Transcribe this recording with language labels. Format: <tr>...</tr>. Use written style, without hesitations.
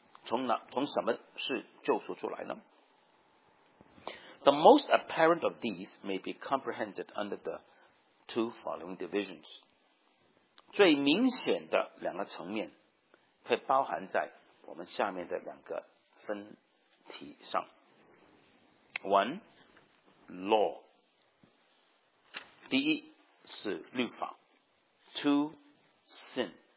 <zh>那么基督所做成的救赎呢？圣经告诉我们有哪几方面的层面呢？从什么是救赎出来呢？</zh> <en>The most apparent of these may be comprehended under the two following divisions.</en> <zh>最明显的两个层面会包含在我们下面的两个分题上。</zh> <en>One, law.</en> <zh>第一是律法。</zh> <en>Two, sin.</en>